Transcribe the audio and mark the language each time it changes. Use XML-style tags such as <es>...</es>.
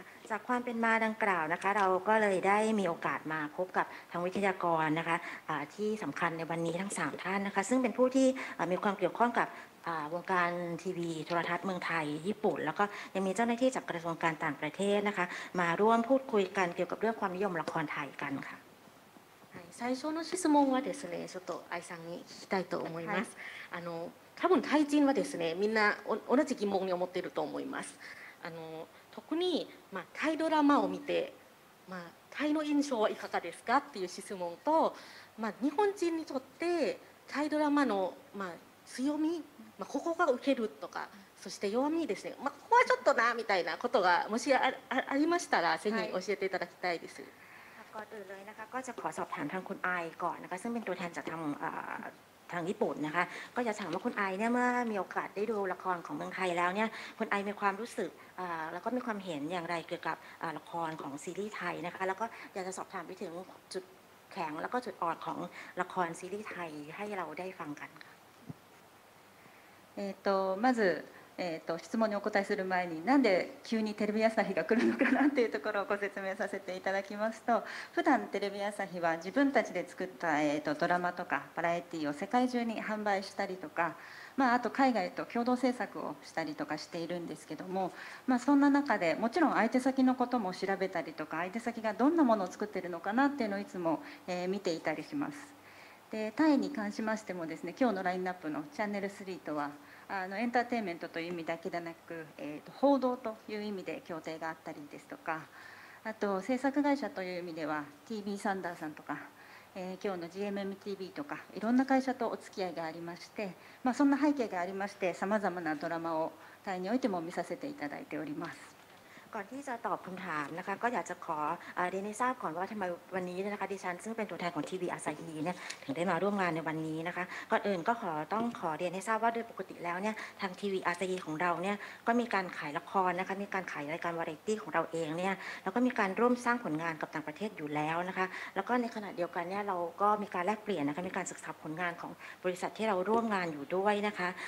<th>จากความเป็นมาดังกล่าวนะคะเราก็เลยได้มีโอกาสมาพบกับทางวิทยากรนะคะที่สำคัญในวันนี้ทั้ง3ท่านนะคะซึ่งเป็นผู้ที่มีความเกี่ยวข้องกับวงการทีวีโทรทัศน์เมืองไทยญี่ปุ่นแล้วก็ยังมีเจ้าหน้าที่จากกระทรวงการต่างประเทศนะคะมาร่วมพูดคุยกันเกี่ยวกับเรื่องความนิยมละครไทยกันค่ะ</th> <ja>最初の質問はですねちょっと愛さんに聞きたいと思います。多分タイ人はですねみんな同じ疑問に思っていると思います。特に、まあ、タイドラマを見て、まあ、タイの印象はいかがですかっていう質問と、まあ、日本人にとってタイドラマの、まあ、強み、まあ、ここが受けるとかそして弱みですね、まあ、ここはちょっとなみたいなことがもし ありましたらぜひ教えていただきたいです、</ja> <th>はい、ก็ตื่นเลยนะคะก็จะขอสอบถามทางคุณไอก่อนนะคะซึ่งเป็นตัวแทนจากทางญี่ปุ่นนะคะก็จะถามว่าคุณไอเนี่ยเมื่อมีโอกาสได้ดูละครของเมืองไทยแล้วเนี่ยคุณไอมีความรู้สึกแล้วก็มีความเห็นอย่างไรเกี่ยวกับละครของซีรีส์ไทยนะคะแล้วก็อยากจะสอบถามไปถึงจุดแข็งแล้วก็จุดอ่อนของละครซีรีส์ไทยให้เราได้ฟังกันค่ะ</th> <ja>まず質問にお答えする前になんで急にテレビ朝日が来るのかなっていうところをご説明させていただきますと、普段テレビ朝日は自分たちで作ったドラマとかバラエティを世界中に販売したりとか、まあ、あと海外と共同制作をしたりとかしているんですけども、まあ、そんな中でもちろん相手先のことも調べたりとか相手先がどんなものを作ってるのかなっていうのをいつも見ていたりします。でタイに関しましてもですね、今日のラインナップのチャンネル3とはエンターテインメントという意味だけでなく、報道という意味で協定があったりですとか、あと制作会社という意味では TV サンダーさんとか、今日の GMMTV とかいろんな会社とお付き合いがありまして、まあ、そんな背景がありまして様々なドラマをタイにおいても見させていただいております。</ja> <th>ก่อนที่จะตอบคำถามนะคะก็อยากจะขอเรียนให้ทราบก่อนว่าทำไมวันนี้นะคะดิฉันซึ่งเป็นตัวแทนของทีวีอาซาฮีเนี่ยถึงได้มาร่วมงานในวันนี้นะคะก่อนอื่นก็ขอเรียนให้ทราบว่าโดยปกติแล้วเนี่ยทางทีวีอาซาฮีของเราเนี่ยก็มีการขายละครนะคะมีการขายรายการวาไรตี้ของเราเองเนี่ยแล้วก็มีการร่วมสร้างผลงานกับต่างประเทศอยู่แล้วนะคะแล้วก็ในขณะเดียวกันเนี่ยเราก็มีการแลกเปลี่ยนนะคะมีการศึกษาผลงานของบริษัทที่เราร่วมงานอยู่ด้วยนะคะ</th>